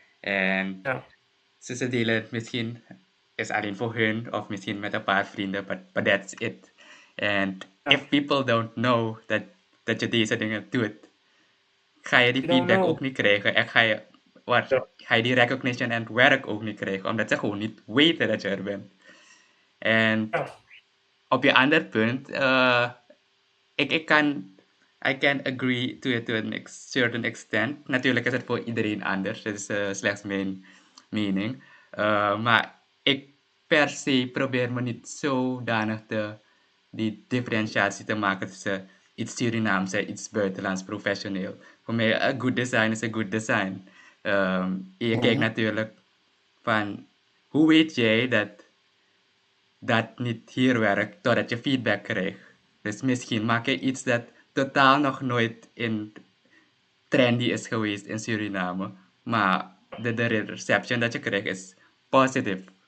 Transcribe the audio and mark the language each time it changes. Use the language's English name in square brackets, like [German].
[Dutch] En ze delen het misschien is alleen voor hun of misschien met een paar vrienden, [English] but that's it. And if people don't know [Dutch] dat je deze dingen doet, ga je die feedback ook niet krijgen en ga je... Waar hij die recognition en werk ook niet kreeg. Omdat ze gewoon niet weten dat je er bent. En op je ander punt. [English] I can agree to a certain extent. [Dutch] Natuurlijk is het voor iedereen anders. Dat is slechts mijn mening. Maar ik per se probeer me niet zodanig die differentiatie te maken tussen iets Surinaams en iets buitenlands professioneel. Voor mij, [English] a good design is a good design. [Dutch] Je kijkt natuurlijk van hoe weet jij dat niet hier werkt totdat je feedback krijgt. Dus misschien maak je iets dat totaal nog nooit in trendy is geweest in Suriname, maar de reception dat je krijgt is positief.